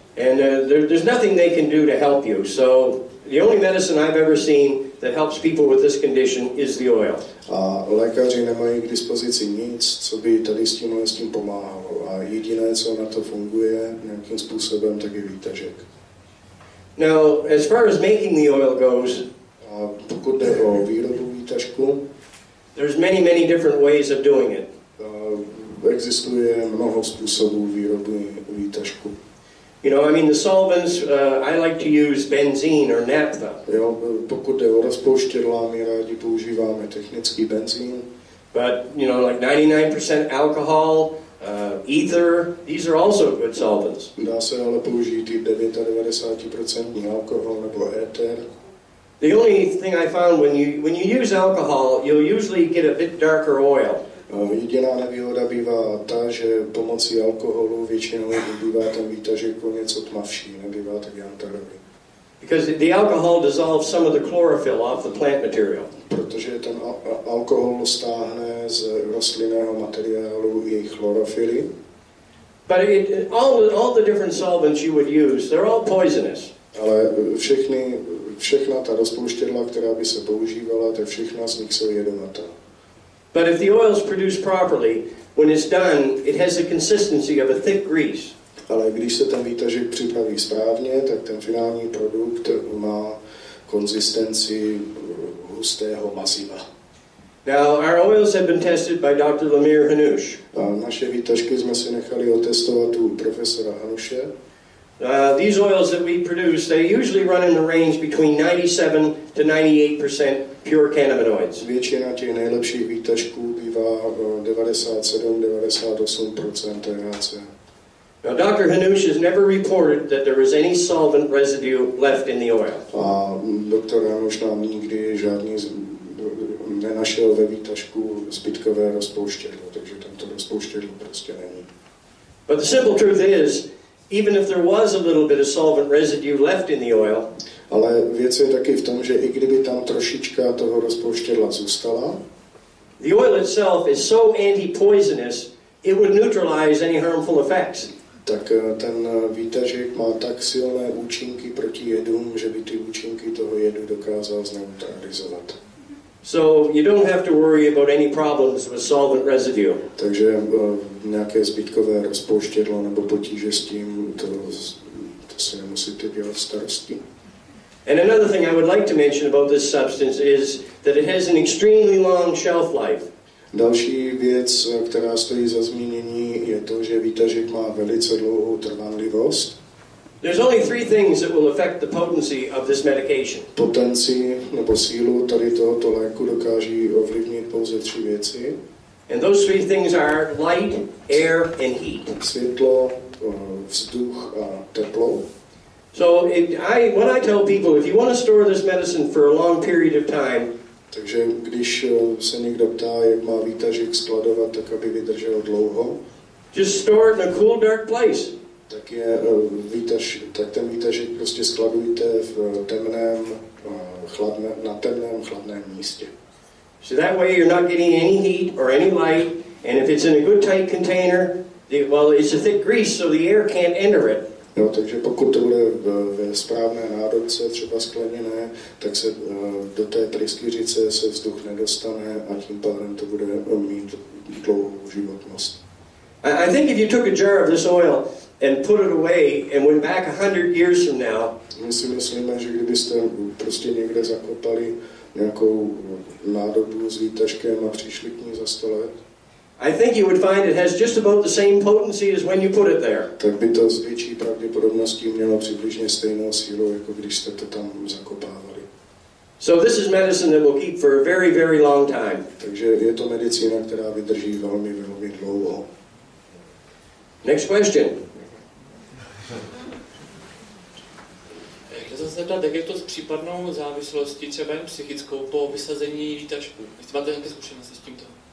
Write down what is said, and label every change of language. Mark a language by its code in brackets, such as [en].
[en] And there's nothing they can do to help you, so the only medicine I've ever seen that helps people with this condition is the oil. [cs] A lékaři nemají k dispozici nic, co by tady s tím pomáhalo. A jediné, co na to funguje nějakým způsobem, tak je výtažek. [en] Now, as far as making the oil goes, [cs] a pokud jde o výrobu výtažku, [en] there's many, many different ways of doing it. [cs] Existuje mnoho způsobů výroby výtažku. [en] You know, I mean, the solvents, I like to use benzene or naphtha. [cs] Jo, pokud jde o rozpouštědla, my rádi používáme technický benzín. [en] But, you know, like 99% alcohol, ether, these are also good solvents. [cs] Dá se ale použít i 99% alkohol nebo éter. [en] The only thing I found when you use alcohol, you'll usually get a bit darker oil. [cs] Jediná nevýhoda bývá ta, že pomocí alkoholu většinou bývá ten výtažek o něco tmavší, nebývá tak jantarový. [en] Because the alcohol dissolves some of the chlorophyll off the plant material. [cs] Protože ten alkohol stáhne z rostlinného materiálu jejich chlorofily. [en] But all the different solvents you would use, they're all poisonous. [cs] Ale všechna ta rozpouštědla, která by se používala, tak všechna z nich jsou jedovatá. [en] But if the oil is produced properly, when it's done, it has the consistency of a thick grease. [cs] Ale když se ten výtažek připraví správně, tak ten finální produkt má konzistenci hustého maziva. [en] Now our oils have been tested by Dr. Lemir Hanush. [cs] Naše výtažky jsme si nechali otestovat u profesora Hanuše. [en] These oils that we produce, they usually run in the range between 97% to 98% pure cannabinoids. [cs] Většina těch nejlepších výtažků bývá 97-98% THC. [en] Now Dr. Hanush has never reported that there is any solvent residue left in the oil. [cs] A doktor Hanush nám nikdy žádný nenašel ve výtažku zbytkové rozpouštědlo, takže tam to rozpouštědlo prostě není. [en] But the simple truth is, even if there was a little bit of solvent residue left in the oil, [cs] ale věc je taky v tom, že i kdyby tam trošička toho rozpouštědla zůstala, [en] the oil itself is so anti-poisonous, it would neutralize any harmful effects. [cs] Tak ten výtažek má tak silné účinky proti jedům, že by ty účinky toho jedu dokázal zneutralizovat. [en] So you don't have to worry about any problems with solvent residue. [cs] Takže nějaké zbytkové rozpouštědlo nebo potíže s tím, to se nemusíte dělat starosti. [en] And another thing I would like to mention about this substance is that it has an extremely long shelf life. [cs] Další věc, která stojí za zmínění, je to, že výtažek má velice dlouhou trvanlivost. [en] There's only three things that will affect the potency of this medication. [cs] Potenci nebo sílu tady tohoto léku dokáží ovlivnit pouze tři věci. [en] And those three things are light, air and heat. [cs] Světlo, vzduch a teplo. [en] So when I tell people, if you want to store this medicine for a long period of time, [cs] takže když se někdo ptá, jak má výtažek skladovat, tak aby vydržel dlouho, [en] just store it in a cool, dark place. [cs] Tak je tak ten výtažek prostě skladujte v temném, na temném chladném místě. [en] So that way you're not getting any heat or any light, and if it's in a good tight container, it's a thick grease, so the air can't enter it. [cs] No, takže pokud to bude ve správné nádobce, třeba skleněné, tak se do té pryskyřice se vzduch nedostane a tím pádem to bude mít dlouhou životnost. [en] I think if you took a jar of this oil and put it away and went back 100 years from now. [cs] My si myslíme, že kdybyste prostě někde zakopali nějakou nádobu s výtažkem a přišli k ní za 100 let. [en] I think you would find it has just about the same potency as when you put it there. [cs] Tak by to s větší pravděpodobností mělo přibližně stejnou sílu, jako když jste to tam zakopávali. [en] So this is medicine that will keep for a very, very long time. [cs] Takže je to medicína, která vydrží velmi, velmi dlouho. [en] Next question. [cs] Chci se zeptat, jak je to s případnou závislostí, třeba psychickou, po vysazení výtažku? Jestli máte nějaké zkušenosti s tímto?